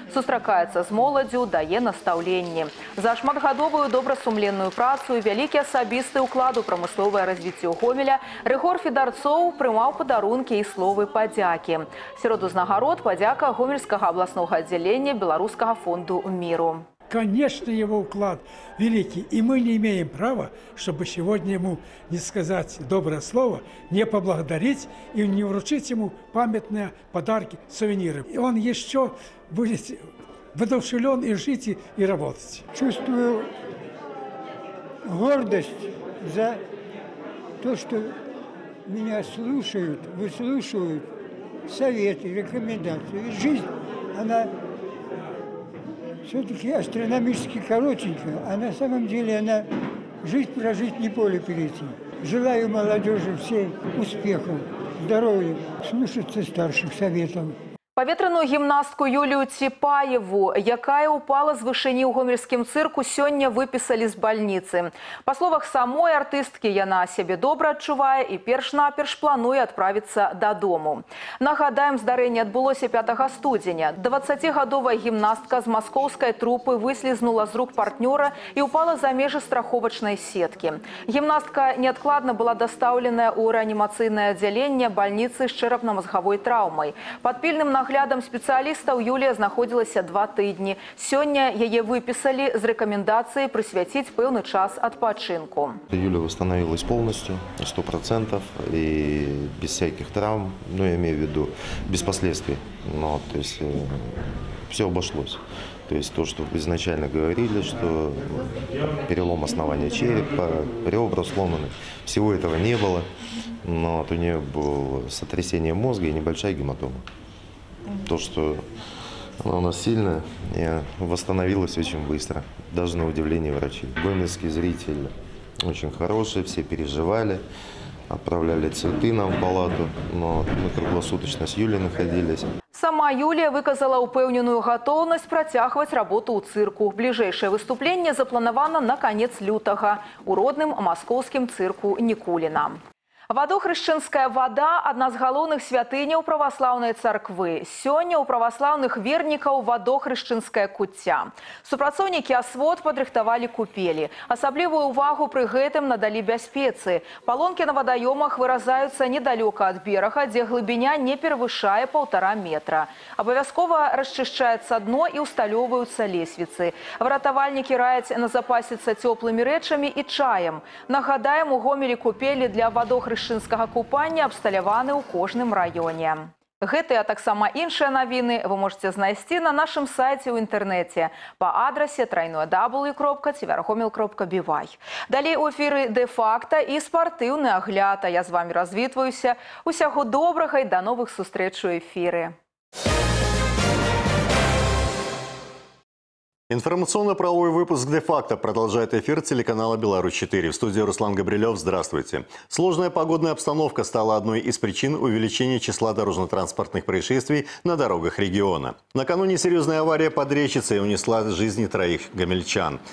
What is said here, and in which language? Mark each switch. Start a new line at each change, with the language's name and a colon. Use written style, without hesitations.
Belarusian: Сустракаецца з моладзю, дае настаўленні. За шматгадовую добрасумленную працу і вялікі асабісты ўклад у прамысловае развіццё Гомеля Рыгор Федарцоў прымаў падарункі і словы падзякі. Сярод узнагарод падзяка Гомельскага абласнога аддзялення Беларускага фонду міру.
Russian: Конечно, его вклад великий, и мы не имеем права, чтобы сегодня ему не сказать доброе слово, не поблагодарить и не вручить ему памятные подарки, сувениры. И он еще будет воодушевлен и жить, и работать. Чувствую гордость за то, что меня слушают, выслушивают советы, рекомендации. Ведь жизнь, она... Все-таки астрономически коротенькая, а на самом деле она жизнь прожить не поле перейти. Желаю молодежи всей успехов, здоровья, слушаться старших советов.
Belarusian: Паветраную гімнастку Юлію Ціпаеву, якая ўпала з вышыні ў гомельскім цырку, сёння выпісалі з бальніцы. Па словах самой артысткі, яна сябе добра адчувае і перш-наперш плануе адправіцца дадому. Нагадаем, здарэнне адбылося 5 студзеня. 20-гадовая гімнастка з маскоўскай трупы выслізнула з рук партнёра і ўпала за межы страховачнай сеткі. Гімнастка неадкладна была дастаўленая ў рэанімацыйнае аддзяленне бальніцы з чэрапна-мазгавой траўмай. Пад пільным наглядам спецыялістаў Юлія знаходзілася 2 тыдні. Сёння яе выпісалі з рэкамендацыяй прысвяціць пэўны час адпачынку.
Russian: Юля восстановилась полностью, 100%, и без всяких травм, ну, я имею в виду, без последствий, ну, то есть все обошлось. То есть то, что изначально говорили, что перелом основания черепа, ребра сломаны, всего этого не было, но у нее было сотрясение мозга и небольшая гематома. То, что она у нас сильная, восстановилась очень быстро. Даже на удивление врачей. Гомельский зритель очень хороший, все переживали, отправляли цветы нам в палату, но мы круглосуточно с Юлей находились.
Belarusian: Сама Юлія выказала ўпэўненую гатоўнасць працягваць работу ў цырку. Бліжэйшае выступленне запланавана на канец лютага ў родным маскоўскім цырку Нікуліна. Вадохрышчынская вада – адна з галоўных святыняў праваслаўнай царквы. Сёння ў праваслаўных вернікаў вадохрышчынская куцця. Супрацоўнікі асвод падрыхтавалі купелі. Асаблівую ўвагу пры гэтым надалі бяспецы. Палонкі на вадаёмах выразаюцца недалёка ад берага, дзе глыбіня не перавышае 1,5 метра. Абавязкова расчышчаецца дно і ўсталёўваюцца лесвіцы. Выратавальнікі раяць назапасіцца цёплымі рэчамі і чаем. Нагадаем, у Гомелі купелі для вадохрышчынскага купання абсталяваны ў кожным раёне. Гэтыя, а таксама іншыя навіны вы можаце знайсці на нашым сайце ў інтэрнэце па адрасе www.tvergomel.by. Далей у эфіры «Дэ-факта» і спартыўны агляд. А я з вамі развітваюся. Усяго добрага і да новых сустрэч у эфіры.
Russian: Информационно-правовой выпуск «Де-факто» продолжает эфир телеканала «Беларусь-4». В студии Руслан Габрилев. Здравствуйте. Сложная погодная обстановка стала одной из причин увеличения числа дорожно-транспортных происшествий на дорогах региона. Накануне серьезная авария под Речицей унесла жизни троих гомельчан.